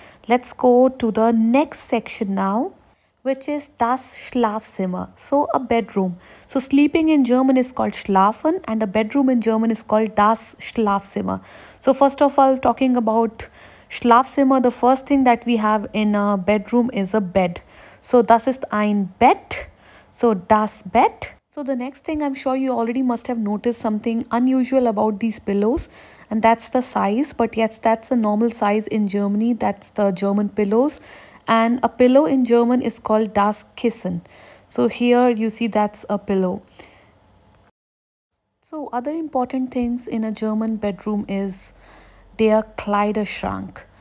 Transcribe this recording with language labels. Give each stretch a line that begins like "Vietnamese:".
English: Let's go to the next section now, which is das Schlafzimmer, so a bedroom. So sleeping in German is called Schlafen, and a bedroom in German is called das Schlafzimmer. So first of all, talking about Schlafzimmer, the first thing that we have in a bedroom is a bed.
German: So das ist ein Bett, so das Bett.
English: So the next thing, I'm sure you already must have noticed something unusual about these pillows, and that's the size. But yes, that's a normal size in Germany, that's the German pillows. And a pillow in German is called das Kissen. So here you see that's a pillow. So other important things in a German bedroom is der Kleiderschrank.